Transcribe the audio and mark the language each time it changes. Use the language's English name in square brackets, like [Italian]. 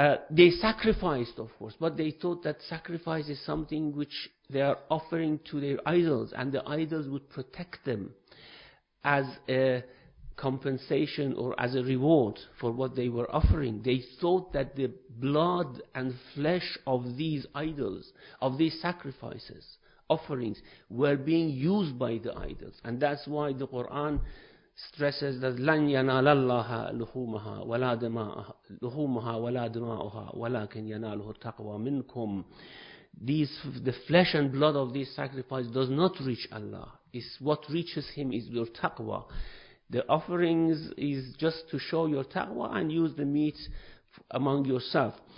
[English] They sacrificed, of course, but they thought that sacrifice is something which they are offering to their idols, and the idols would protect them as a compensation or as a reward for what they were offering. They thought that the blood and flesh of these idols, of these sacrifices, offerings, were being used by the idols. And that's why the Quran stresses that [Arabic] لَنْ يَنَالَ اللَّهَ لُحُومَهَا وَلَا دِمَاءَهَا لُحُومَهَا وَلَا دِمَاءُهَا وَلَكِنْ يَنَالُهُ التَّقْوَى مِنْكُمْ. [English] The flesh and blood of this sacrifice does not reach Allah. It's what reaches Him is your taqwa. The offerings is just to show your taqwa and use the meat among yourself.